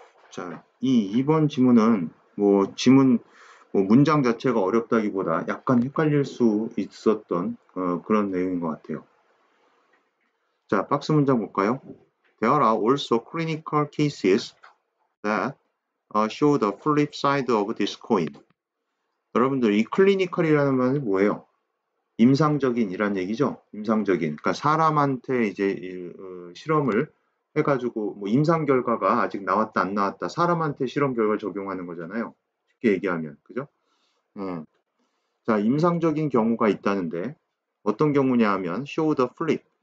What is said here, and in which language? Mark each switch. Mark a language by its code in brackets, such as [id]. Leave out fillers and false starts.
[ko] 자, 2번 지문은 뭐 지문 뭐 문장 자체가 어렵다기보다 약간 헷갈릴 수 있었던 그런 내용인 것 같아요. 자, 박스 문장 볼까요? [en] There are also clinical cases that show the flip side of this coin. [ko] 여러분들, 이 클리니컬이라는 말이 뭐예요? 임상적인이란 얘기죠. 임상적인. 그러니까 사람한테 이제 실험을 해가지고 뭐 임상 결과가 아직 나왔다 안 나왔다 사람한테 실험 결과를 적용하는 거잖아요. 쉽게 얘기하면 그죠? 자, 임상적인 경우가 있다는데 어떤 경우냐 하면 [en] show the flip.